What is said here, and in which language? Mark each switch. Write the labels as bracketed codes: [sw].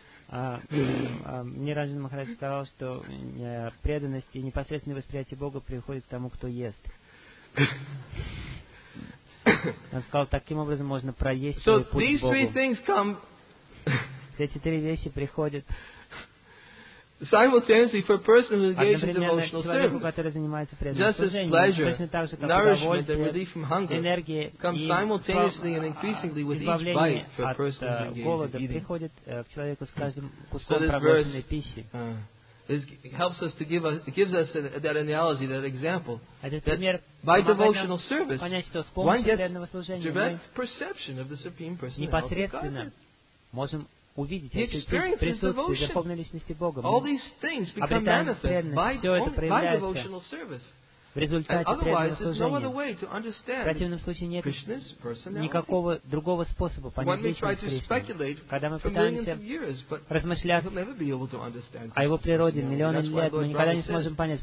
[ru] Мне Ранджан Махарадж сказал, что преданность и непосредственное восприятие Бога приходит к тому, кто ест. Он сказал, таким образом можно проесть свой путь к Богу. [en] So these three things come... [ru] Эти три вещи приходят... [en] Simultaneously, for a person who engages in devotional service, just as pleasure, nourishment, and relief from hunger come simultaneously and increasingly with each bite for a person who is engaged in eating. So this verse gives us that analogy, that example, that by devotional service, one gets direct perception of the Supreme Personality of Godhead. [ru] Увидеть ощутить присутствие Верховной Личности Бога. Мы обретаем преданность, все это проявляется в результате преданного служения. В противном случае нет никакого другого способа понять Личность Кришны. Когда мы пытаемся размышлять о Его природе миллионы лет, мы никогда не сможем понять.